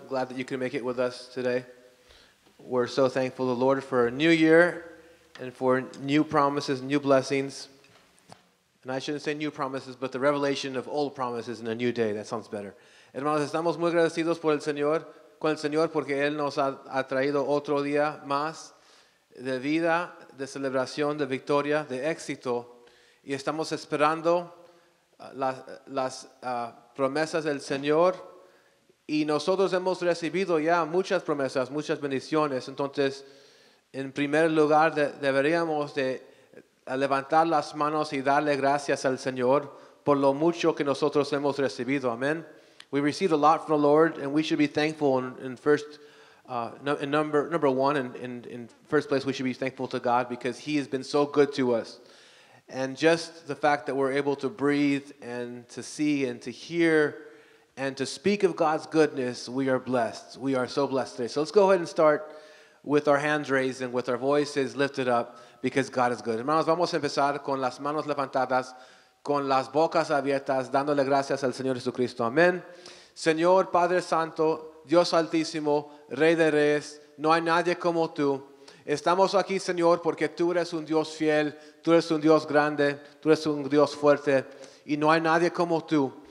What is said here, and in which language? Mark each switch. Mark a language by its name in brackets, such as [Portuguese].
[English] Glad that you can make it with us today. We're so thankful to the Lord for a new year and for new promises, new blessings. And I shouldn't say new promises, but the revelation of old promises in a new day. That sounds better. [Spanish] Hermanos, estamos muy agradecidos por el Señor, con el Señor, porque Él nos ha traído otro día más de vida, de celebración, de victoria, de éxito. Y estamos esperando las promesas del Señor. Y nosotros hemos recibido ya muchas promesas, muchas bendiciones. Entonces, en primer lugar, deberíamos de levantar las manos y darle gracias al Señor por lo mucho que nosotros hemos recibido. Amén. [English] We received a lot from the Lord, and we should be thankful in first place, we should be thankful to God because He has been so good to us. And just the fact that we're able to breathe and to see and to hear and to speak of God's goodness, we are blessed. We are so blessed today. So let's go ahead and start with our hands raised and with our voices lifted up because God is good. [Spanish] Hermanos, vamos a empezar con las manos levantadas, con las bocas abiertas, dándole gracias al Señor Jesucristo. Amén. Señor, Padre Santo, Dios Altísimo, Rey de Reyes, no hay nadie como Tú. Estamos aquí, Señor, porque Tú eres un Dios fiel, Tú eres un Dios grande, Tú eres un Dios fuerte, y no hay nadie como Tú.